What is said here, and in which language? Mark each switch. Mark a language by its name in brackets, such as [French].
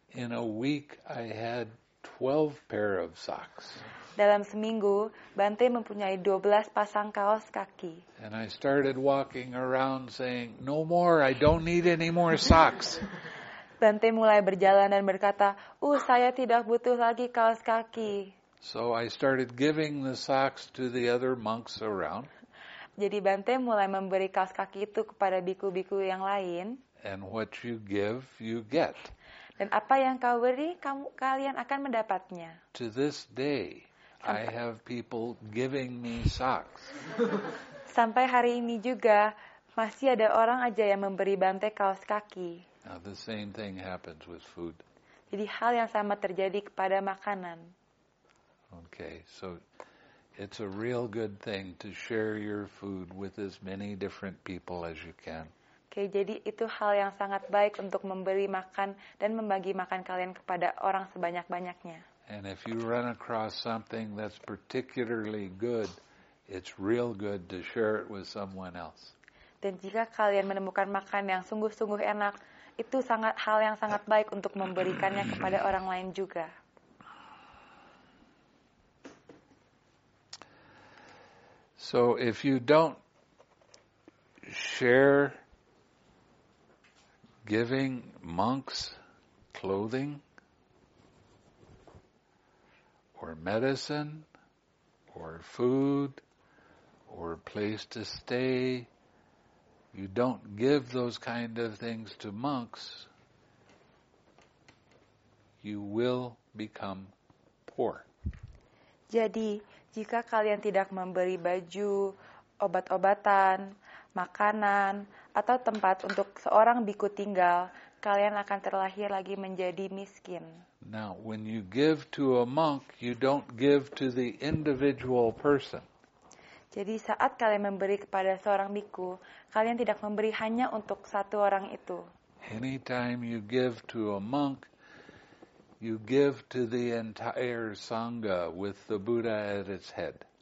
[English] In a week I had 12 pair of socks. [Indonesian] Dalam seminggu, Bante mempunyai 12 pasang kaos kaki. [English] And I started walking around saying, "No more, I don't need any more socks." [Indonesian] Bante mulai berjalan dan berkata, saya tidak butuh lagi kaos kaki. [English] So I started giving the socks to the other monks around. [Indonesian] Jadi Bante mulai memberi kaos kaki itu kepada biku-biku yang lain. [English] And what you give, you get. [Indonesian] Dan apa yang kau beri, kalian akan mendapatnya. [English] To this day, I have people giving me socks. [Indonesian] Sampai hari ini juga, masih ada orang aja yang memberi Bante kaos kaki. [English] Now the same thing happens with food. [Indonesian] Jadi hal yang sama terjadi kepada makanan. [English] Okay, so it's a real good thing to share your food with as many different people as you can. [Indonesian] Okay, jadi itu hal yang sangat baik untuk memberi makan dan membagi makan kalian kepada orang sebanyak-banyaknya. [English] And if you run across something that's particularly good, it's real good to share it with someone else. [Indonesian] Dan jika kalian menemukan makan yang sungguh-sungguh enak, itu sangat hal yang sangat baik untuk memberikannya kepada orang lain juga. [English] So if you don't share giving monks clothing or medicine or food or place to stay, you don't give those kind of things to monks, you will become poor. [Indonesian] Jadi, jika kalian tidak memberi baju, obat-obatan, makanan, atau tempat untuk seorang biku tinggal, kalian akan terlahir lagi menjadi miskin. [English] Now, when you give to a monk, you don't give to the individual person. [Indonesian] Jadi saat kalian memberi kepada seorang biku, kalian tidak memberi hanya untuk satu orang itu. [English] Anytime you give to a monk, you give to the entire sangha with the Buddha at its head.